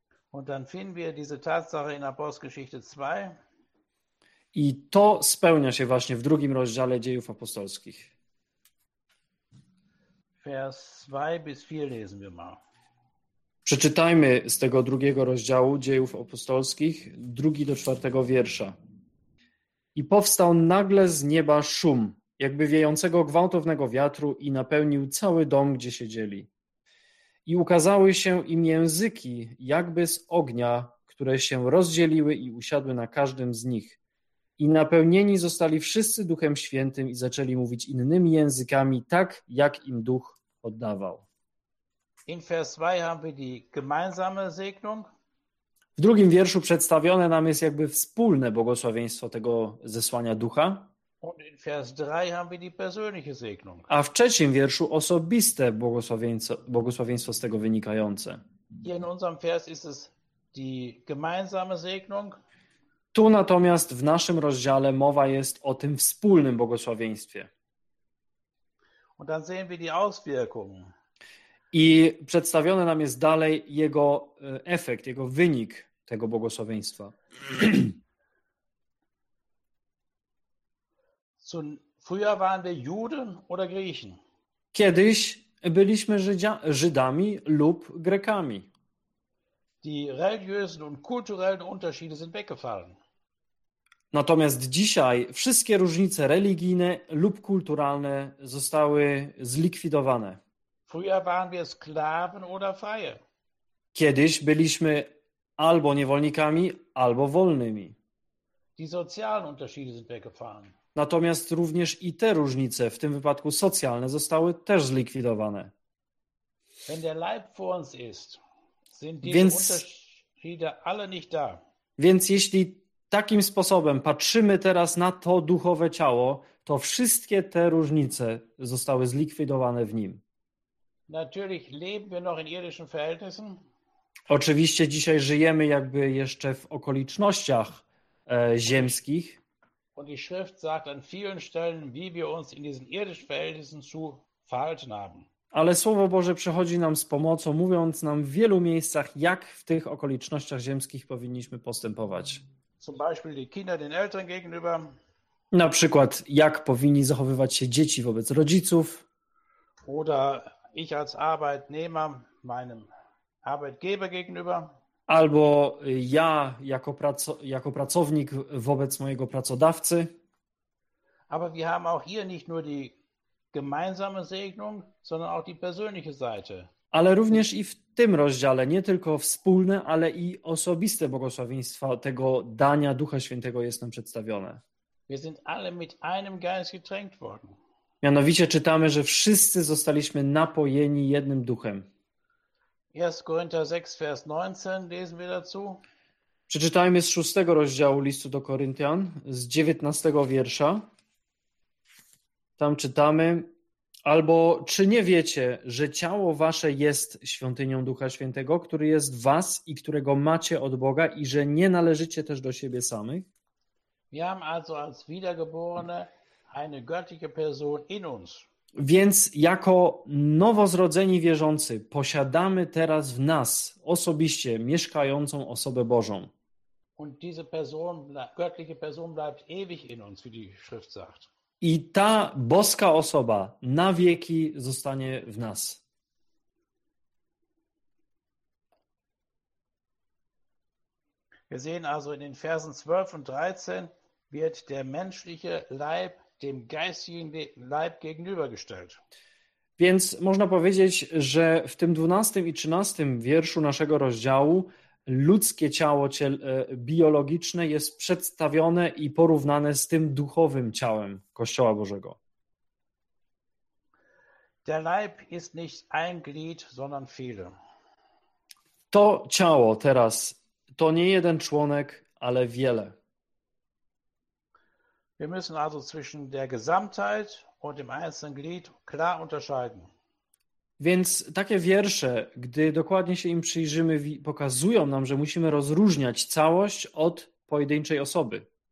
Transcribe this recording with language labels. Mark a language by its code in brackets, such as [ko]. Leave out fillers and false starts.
[de] Und dann finden wir diese Tatsache in Apostelgeschichte 2. [pl] I to spełnia się właśnie w drugim rozdziale Dziejów Apostolskich. [de] Vers 2 bis 4 lesen wir mal. [pl] Przeczytajmy z tego drugiego rozdziału Dziejów Apostolskich, 2-4 wiersza. I powstał nagle z nieba szum, jakby wiejącego gwałtownego wiatru i napełnił cały dom, gdzie siedzieli. I ukazały się im języki, jakby z ognia, które się rozdzieliły i usiadły na każdym z nich. I napełnieni zostali wszyscy Duchem Świętym i zaczęli mówić innymi językami, tak jak im Duch oddawał. [de] In Vers 2 haben wir die gemeinsame Segnung. [pl] W drugim wierszu przedstawione nam jest jakby wspólne błogosławieństwo tego zesłania Ducha. [de] Und in Vers 3 haben wir die persönliche Segnung. [pl] A w trzecim wierszu osobiste błogosławieństwo z tego wynikające. [de] Hier in unserem Vers ist es die gemeinsame Segnung. [pl] Tu natomiast w naszym rozdziale mowa jest o tym wspólnym błogosławieństwie. [de] Und dann sehen wir die Auswirkungen. [pl] I przedstawiony nam jest dalej jego efekt, jego wynik tego błogosławieństwa. [de] Früher waren wir Juden oder Griechen. [pl] Kiedyś byliśmy Żydami lub Grekami. [de] Die religiösen und kulturellen Unterschiede sind weggefallen. [pl] Natomiast dzisiaj wszystkie różnice religijne lub kulturalne zostały zlikwidowane. [de] Früher waren wir Sklaven oder Freie. [pl] Kiedyś byliśmy albo niewolnikami, albo wolnymi. [de] Die sozialen Unterschiede sind weggefallen. [pl] Natomiast również i te różnice, w tym wypadku socjalne, zostały też zlikwidowane. [de] Wenn der Leib vor uns ist, sind diese Unterschiede alle nicht da. [pl] Więc jeśli takim sposobem patrzymy teraz na to duchowe ciało, to wszystkie te różnice zostały zlikwidowane w nim. [de] Natürlich leben wir noch in irdischen Verhältnissen. [pl] Oczywiście dzisiaj żyjemy jakby jeszcze w okolicznościach ziemskich. [de] Und die Schrift sagt an vielen Stellen, wie wir uns in diesen irdischen Verhältnissen zu verhalten haben. [pl] Ale Słowo Boże przychodzi nam z pomocą, mówiąc nam w wielu miejscach, jak w tych okolicznościach ziemskich powinniśmy postępować. [de] Zum Beispiel die Kinder den Eltern gegenüber. [pl] Na przykład, jak powinni zachowywać się dzieci wobec rodziców. [de] Oder ich als Arbeitnehmer meinem Arbeitgeber gegenüber. [pl] Albo ja jako pracownik wobec mojego pracodawcy. [de] Aber wir haben auch hier nicht nur die gemeinsame Segnung, sondern auch die persönliche Seite. [pl] Ale również i w tym rozdziale nie tylko wspólne, ale i osobiste błogosławieństwo tego dania Ducha Świętego jest nam przedstawione. [de] Wir sind alle mit einem Geist getränkt worden. [pl] Mianowicie czytamy, że wszyscy zostaliśmy napojeni jednym duchem. [de] 1 Korinther 6, Vers 19 lesen wir dazu. [pl] Przeczytajmy z 6 rozdziału listu do Koryntian, z 19 wiersza. Tam czytamy: albo czy nie wiecie, że ciało wasze jest świątynią Ducha Świętego, który jest w was i którego macie od Boga i że nie należycie też do siebie samych? [de] Wir haben also als wiedergeborene eine göttliche Person in uns. [pl] Więc jako nowozrodzeni wierzący posiadamy teraz w nas osobiście mieszkającą osobę Bożą. [de] Und diese Person, göttliche Person bleibt ewig in uns, wie die Schrift sagt. [pl] I ta boska osoba na wieki zostanie w nas. [de] Wir sehen also in den Versen 12 und 13 wird der menschliche Leib dem geistigen Leib gegenübergestellt. [pl] Więc można powiedzieć, że w tym 12 i 13 wierszu naszego rozdziału ludzkie ciało biologiczne jest przedstawione i porównane z tym duchowym ciałem Kościoła Bożego. [de] Der Leib ist nicht ein Glied, sondern viele. [pl] To ciało teraz to nie jeden członek, ale wiele. [de] Wir müssen also zwischen der Gesamtheit und dem einzelnen Glied klar unterscheiden. [pl] Więc takie wiersze, gdy dokładnie się im przyjrzymy, pokazują nam, że musimy rozróżniać całość od pojedynczej osoby.